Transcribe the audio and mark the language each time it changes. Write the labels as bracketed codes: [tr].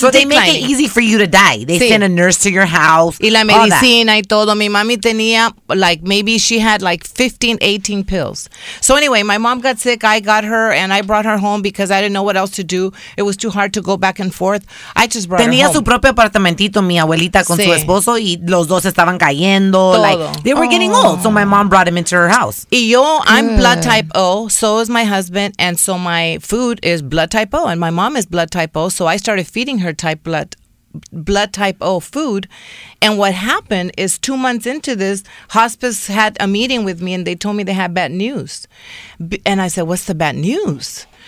[en] so declining. They make it easy for you to die. They send a nurse to your house. [es] Y la medicina y todo. Mi mami tenía, [en] like, maybe she had like 15, 18 pills. So anyway, my mom got sick. I got her and I brought her home because I didn't know what else to do. It was too hard to go back and forth. I just brought [es] tenía [en] her home. [es] Tenía su propio apartamentito, mi abuelita, con su esposo, y los dos estaban cayendo. Todo. [en] Like, they were getting old. So my mom brought him into her house. [es] Y yo, [en] I'm blood type O, so is my husband, and so my food is blood type O, and my mom is blood type O, so I started feeding her blood type O food, and what happened is 2 months into this, hospice had a meeting with me, and they told me they had bad news, and I said, what's the bad news?